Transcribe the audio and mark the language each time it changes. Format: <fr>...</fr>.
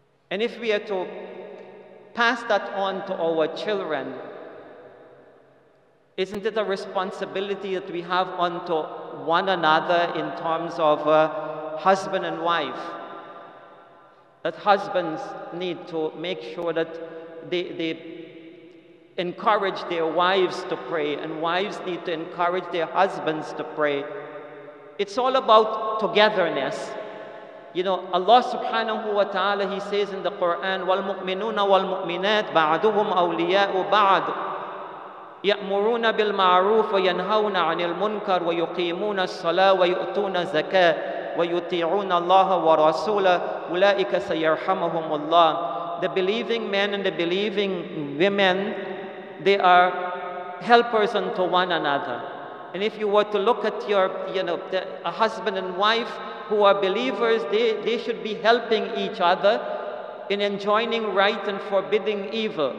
<en>And if we are to pass that on to our children, isn't it a responsibility that we have unto one another in terms of husband and wife? That husbands need to make sure that they encourage their wives to pray, and wives need to encourage their husbands to pray. It's all about togetherness. You know, Allah subhanahu wa ta'ala, he says in the Quran,</en> <ar>وَالْمُؤْمِنُونَ وَالْمُؤْمِنَاتِ بَعْدُهُمْ أَوْلِيَاءُ بَعْدُ يَأْمُرُونَ بِالْمَعْرُوفِ وَيَنْهَوْنَ عَنِ الْمُنْكَرِ وَيُقِيمُونَ الصَّلَاةَ وَيُؤْتُونَ الزَّكَاةَ وَيُطِيعُونَ اللَّهَ وَرَسُولَهُ أُولَٰئِكَ سَيَرْحَمُهُمُ اللَّهُ.</ar> <en>The believing men and the believing women, they are helpers unto one another. And if you were to look at your, you know, a husband and wife who are believers, they should be helping each other in enjoining right and forbidding evil.</en>